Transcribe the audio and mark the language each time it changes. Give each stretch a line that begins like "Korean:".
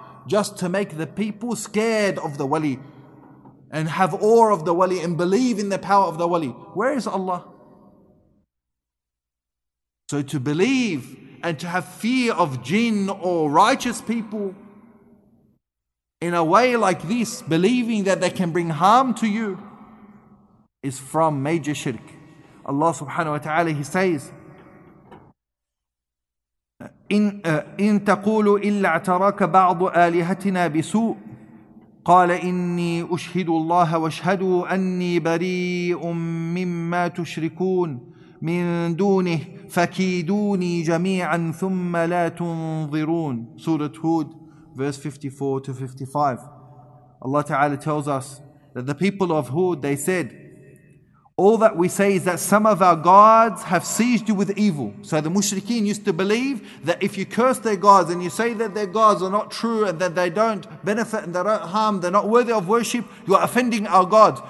English: Just to make the people scared of the wali and have awe of the wali and believe in the power of the wali. Where is Allah? So to believe and to have fear of jinn or righteous people in a way like this, believing that they can bring harm to you, is from major shirk.
Arabic: Allah subhanahu wa ta'ala,
English: he says,
Arabic: إن تقول إلا اعتراك بعض آلهتنا بسوء قال إني أشهد الله واشهدوا أني بريء مما تشركون من دونه فكيدوني جميعا ثم لا تنظرون.
English: سورة هود, verse 54 to 55. Allah Ta'ala tells us that the people of Hud, they said, all that we say is that some of our gods have seized you with evil. So the mushrikeen used to believe that if you curse their gods and you say that their gods are not true and that they don't benefit and they don't harm, they're not worthy of worship, you are offending our gods.